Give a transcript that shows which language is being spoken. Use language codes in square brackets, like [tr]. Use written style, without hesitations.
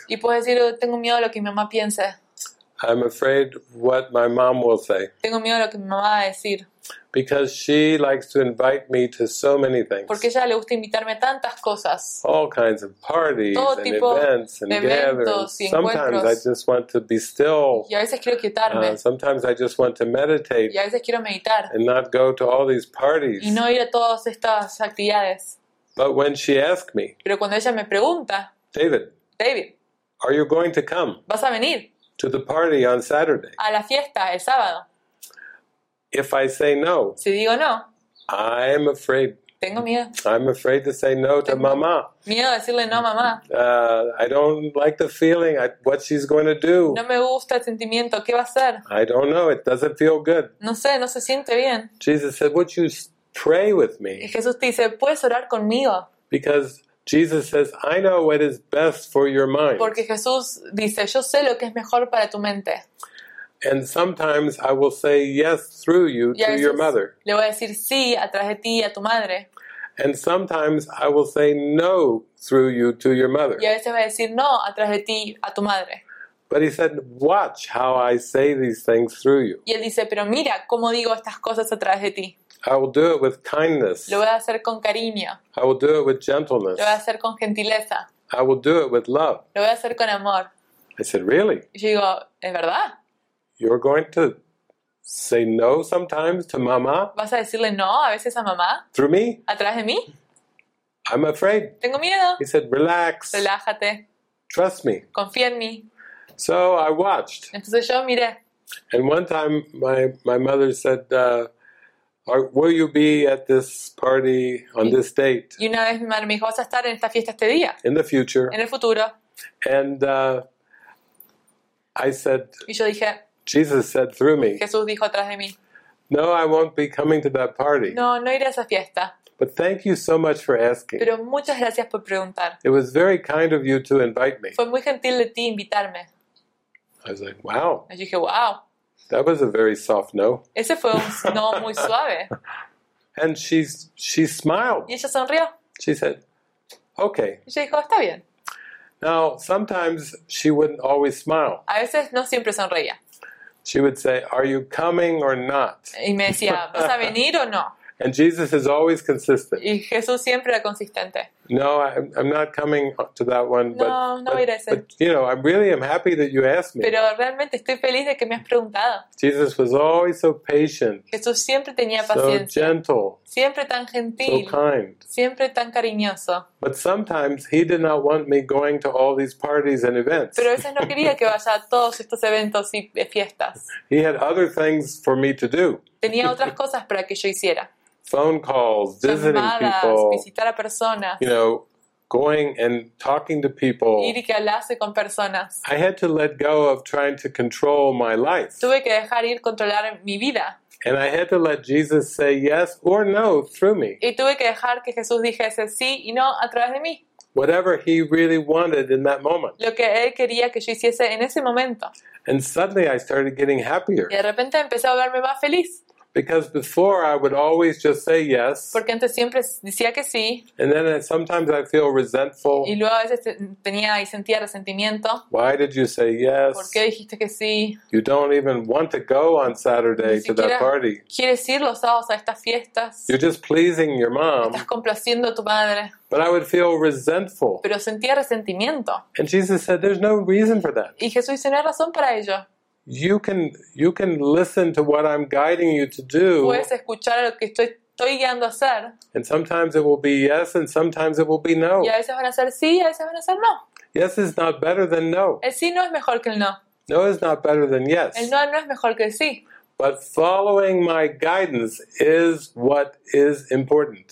[es] Y puedes decir, tengo miedo a lo que mi mamá piense. [en] I'm afraid what my mom will say. [es] Tengo miedo a lo que mi mamá va a decir. [en] Because she likes to invite me to so many things. [es] Porque ella le gusta invitarme a tantas cosas. [en] All kinds of parties [es] todo [en] and [es] tipo [en] events and gatherings. Sometimes I just want to be still. [es] Y a veces quiero quietarme. [en] Sometimes I just want to meditate. [es] Y a veces quiero meditar. [en] And not go to all these parties. [es] Y no ir a todas estas actividades. [en] But when she asked me. [es] Pero cuando ella me pregunta. [en] David. Are you going to come? [es] ¿Vas a venir? [en] To the party on Saturday. [es] A la fiesta el sábado. [en] If I say no, [es] si digo no, [en] I am afraid. [es] Tengo miedo. [en] I'm afraid to say no to mamá. [es] Miedo a decirle no a mamá. [en] I don't like the feeling. What she's going to do? [es] No me gusta el sentimiento. ¿Qué va a hacer? [en] I don't know. It doesn't feel good. [es] No sé. No se siente bien. [en] Jesus said, "Would you pray with me?" [es] Y Jesús te dice, ¿puedes orar conmigo? [en] Because Jesus says, "I know what is best for your mind." [es] Porque Jesús dice, yo sé lo que es mejor para tu mente. [en] And sometimes I will say yes through you to your mother. [es] Le voy a decir sí a través de ti y a tu madre. [en] And sometimes I will say no through you to your mother. [es] Y a veces voy a decir no a través de ti a tu madre. [en] But he said, "Watch how I say these things through you." [es] Y él dice, pero mira cómo digo estas cosas a través de ti. [en] I will do it with kindness. [es] Lo voy a hacer con cariño. [en] I will do it with gentleness. [es] Lo voy a hacer con gentileza. [en] I will do it with love. [es] Lo voy a hacer con amor. [en] I said, "Really?" [es] Y yo digo, ¿es verdad? [en] You're going to say no sometimes to mama? [es] ¿Vas a decirle no a veces a mamá? [en] Through me? [es] ¿A través de mí? [en] I'm afraid. [es] Tengo miedo. [en] He said, relax. [es] Relájate. [en] Trust me. [es] Confía en mí. [en] So I watched. [es] Entonces yo miré. [en] And one time my mother said, will you be at this party on this date? [es] Y una vez mi madre me dijo, ¿vas a estar en esta fiesta este día? [en] In the future. [es] En el futuro. [en] And I said, [es] y yo dije, [en] Jesus said through me, [es] Jesús dijo atrás de mí, [en] no, I won't be coming to that party. [es] No, no iré a esa fiesta. [en] But thank you so much for asking. [es] Pero muchas gracias por preguntar. [en] It was very kind of you to invite me. [es] Fue muy gentil de ti invitarme. [en] I was like, wow. [es] Y dije, wow. [en] That was a very soft no. [es] Ese fue un no muy suave. [en] And she smiled. [es] Y ella sonrió. [en] She said, okay. [es] Y ella dijo, está bien. [en] Now, sometimes she wouldn't always smile. [es] A veces no siempre sonreía. [en] She would say, are you coming or not? [es] Y me decía, ¿vas a venir o no? [en] And Jesus is always consistent. [es] Y Jesús siempre era consistente. [en] No, I'm not coming to that one. [es] No, [en] but, [es] no iré a ese. [en] But, you know, I really am happy that you asked me. [es] Pero realmente estoy feliz de que me has preguntado. [en] Jesus was always so patient. [es] Jesús siempre tenía [en] so [es] paciencia. [en] So gentle. [es] Siempre tan gentil. [en] So kind. [es] Siempre tan cariñoso. [en] But sometimes he did not want me going to all these parties and events. [es] Pero a veces no quería que vaya a todos estos eventos y fiestas. [en] He had other things for me to do. [es] Tenía otras cosas para que yo hiciera. [en] Phone calls, visiting [es] llamadas, [en] people, [es] visitar a personas, [en] you know, going and talking to people. [es] Ir y que hablase con personas. [en] I had to let go of trying to control my life. [es] Tuve que dejar ir controlar mi vida. [en] And I had to let Jesus say yes or no through me. [es] Y tuve que dejar que Jesús dijese sí y no a través de mí. [en] Whatever he really wanted in that moment. [es] Lo que él quería que yo hiciese en ese momento. [en] And suddenly I started getting happier. [es] Y de repente empecé a verme más feliz. [en] Because before I would always just say yes. [es] Porque antes siempre decía que sí. [en] And then sometimes I feel resentful. [es] Y luego a veces tenía y sentía resentimiento. [en] Why did you say yes? [es] ¿Por qué dijiste que sí? [en] You don't even want to go on Saturday to that party. [es] Ni siquiera quieres ir los sábados a estas fiestas. [en] You're just pleasing your mom. [es] Estás complaciendo a tu madre. [en] But I would feel resentful. [es] Pero sentía resentimiento. [en] And Jesus said, "There's no reason for that." [es] Y Jesús dice, no hay razón para ello. [en] You can listen to what I'm guiding you to do. [es] Puedes escuchar lo que estoy guiando a hacer. [en] And sometimes it will be yes, and sometimes it will be no. [es] Y a veces van a ser sí, a veces van a ser no. [en] Yes is not better than no. [es] El sí no es mejor que el no. [en] No is not better than yes. [es] El no no es mejor que el sí. [en] But following my guidance is what is important.